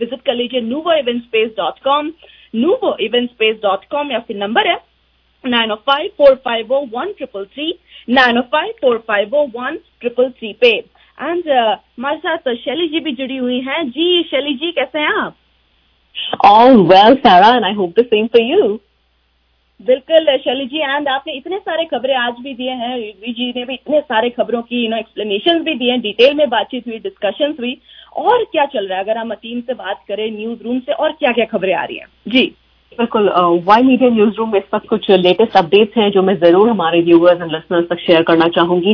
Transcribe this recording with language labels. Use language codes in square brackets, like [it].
[hi] Visit कर लीजिए nuvoeventspace.com. nuvoeventspace.com या फिर नंबर है 905-450-1333 905-450-1333 पे. एंड हमारे साथ शैली जी भी जुड़ी हुई हैं. जी शैली जी, कैसे हैं आप? [en] All well, Sarah, and I hope the same for you. [hi] बिल्कुल शैली जी. एंड आपने इतने सारे खबरें आज भी दिए हैं, रिवी जी ने भी इतने सारे खबरों की यू नो एक्सप्लेनेशन भी दिए हैं, डिटेल में बातचीत हुई, डिस्कशंस हुई. और क्या चल रहा है अगर हम टीम से बात करें, न्यूज रूम से, और क्या क्या खबरें आ रही हैं? जी बिल्कुल, वाई मीडिया न्यूज रूम में इस वक्त कुछ लेटेस्ट अपडेट्स हैं जो मैं जरूर हमारे व्यूअर्स एंड लिसनर्स तक शेयर करना चाहूंगी.